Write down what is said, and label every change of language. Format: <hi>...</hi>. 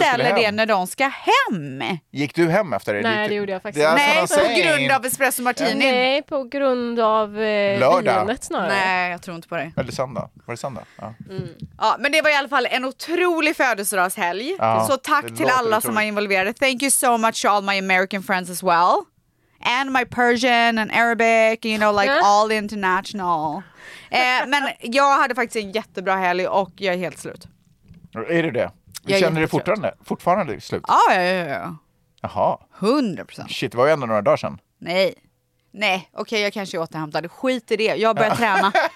<sv>beställer det när de ska hem. Gick du hem efter det? Nej, det gjorde jag faktiskt. Nej, på grund av espresso martini. Nej, på grund av vinet snarare. Nej, jag tror inte på det. Eller söndag. Var det söndag? Ja. Mm. Ja, men det var i alla fall en otrolig födelsedagshelg. Ja, så tack till alla som var involverade.</sv> <en>Thank you so much to all my American friends as well. And my Persian and Arabic, you know, like all international.</en> <sv>Men jag hade faktiskt en jättebra helg och jag är helt slut. Är det det? Jag känner det fortfarande slut? Ja. Jaha. 100%. Shit, var ju ändå några dagar sedan. Nej, okej, jag kanske återhämtade. Skit i det, jag börjar träna.</sv>